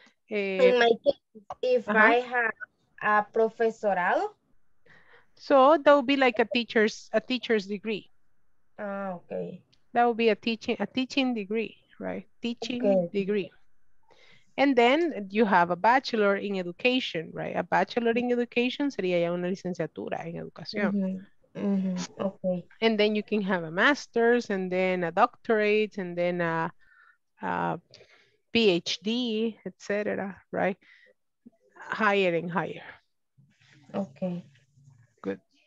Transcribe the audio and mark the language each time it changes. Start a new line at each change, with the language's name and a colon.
English: I have a profesorado. So that would be like a teacher's degree. Ah, okay. That would be a teaching degree, right? Teaching okay. degree. And then you have a bachelor in education, right? A bachelor in education
Spanish: sería ya una licenciatura en educación.
English: Mm-hmm. Mm-hmm. Okay. And then you can have a master's and then a doctorate and then a PhD, etc., right? Higher and higher. Okay. Good.